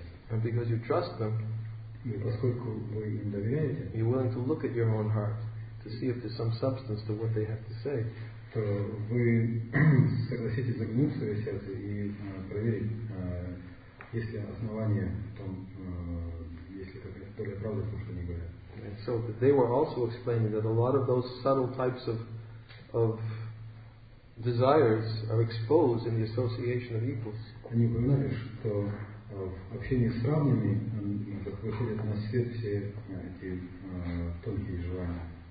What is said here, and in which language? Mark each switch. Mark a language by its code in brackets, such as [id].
[en] And because you trust them, you're willing to look at your own heart to see if there's some substance to what they have to say. [ru] То вы согласитесь заглянуть в свое сердце и проверить, есть ли основание в том, есть ли какая-то доля правды в том, что они говорят. [en] And so they were also explaining that a lot of those subtle types of desires are exposed in the association of equals. [ru] Они упоминали, что в общении с равными выходят на свет все эти тонкие желания.